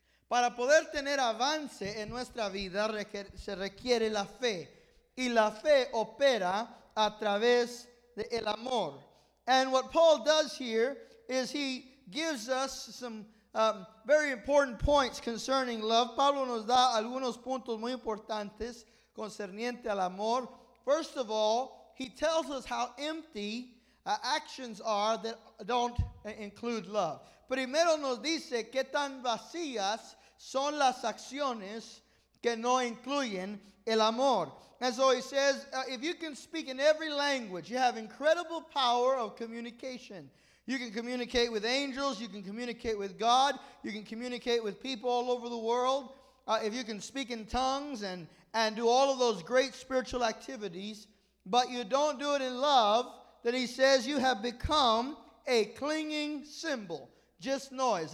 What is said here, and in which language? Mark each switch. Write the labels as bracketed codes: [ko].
[es] Para poder tener avance en nuestra vida se requiere la fe. Y la fe opera a través del amor. [en] And what Paul does here is he gives us some very important points concerning love. [es] Pablo nos da algunos puntos muy importantes concerniente al amor. [en] First of all, he tells us how empty actions are that don't include love. [es] Primero nos dice qué tan vacías son las acciones que no incluyen el amor. [en] And so he says, if you can speak in every language, you have incredible power of communication. You can communicate with angels, you can communicate with God, you can communicate with people all over the world. If you can speak in tongues and do all of those great spiritual activities, but you don't do it in love, then he says you have become a clinging cymbal. Just noise.